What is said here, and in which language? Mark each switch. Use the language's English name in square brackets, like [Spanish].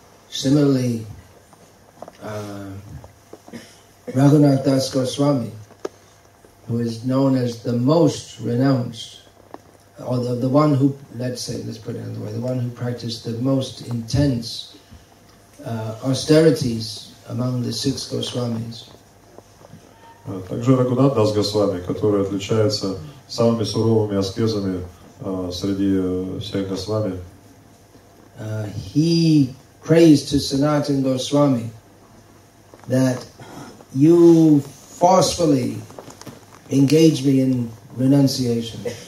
[English] Similarly, Raghunath Das Goswami, who is known as the most renounced, or the one who, let's put it another way, the one who practiced the most intense austerities among the six Goswamis. [Russian] Также Рагунат Дас Госвами, который отличается самыми суровыми аскезами среди всех Госвами. [English] He prays to Sanatana Goswami that you forcefully engage me in renunciation.